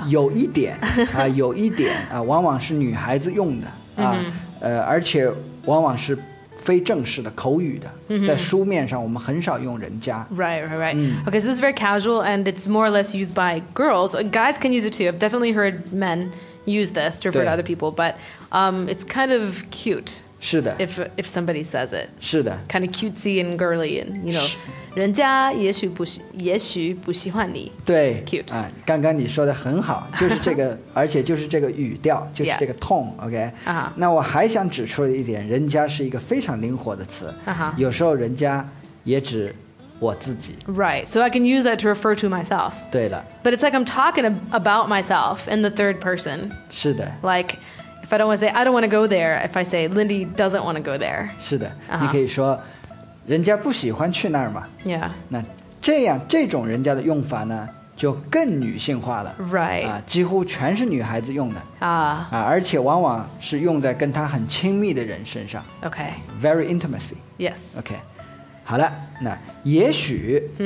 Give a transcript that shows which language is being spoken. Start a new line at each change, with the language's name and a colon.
Chinese: 有一点有一点往往是女孩子用的而且往往是非正式的口语的在书面上我们很少用人家
English: Right. Okay, so this is very casual and it's more or less used by girls guys can use it too I've definitely heard men use this to refer to other people but it's kind of cute
Chinese: 是的
English: if somebody says it
Chinese: 是的
English: kind of cutesy and girly and you know
Chinese: 人家也许不喜，也许不喜欢你。对
English: ，cute
Chinese: 啊，刚刚你说的很好，就是这个，而且就是这个语调，就是这个 tone、
English: yeah. OK 啊、
Chinese: 那我还想指出一点，人家是一个非常灵活的词、有时候人家也指我自己。
English: Right, so I can use that to refer to myself.
Chinese: 对了。
English: But it's like I'm talking about myself in the third person.
Chinese: 是的。
English: Like, if I don't want to say I don't want to go there, if I say Lindy doesn't want to go there.
Chinese: 是的，你可以说。人家不喜欢去那儿嘛
English: ？Yeah，
Chinese: 那这样这种人家的用法呢，就更女性化了
English: ，Right？
Chinese: 啊，几乎全是女孩子用的啊、啊，而且往往是用在跟她很亲密的人身上
English: ，Okay，very intimacy。 Yes。
Chinese: Okay， 好了，那也许，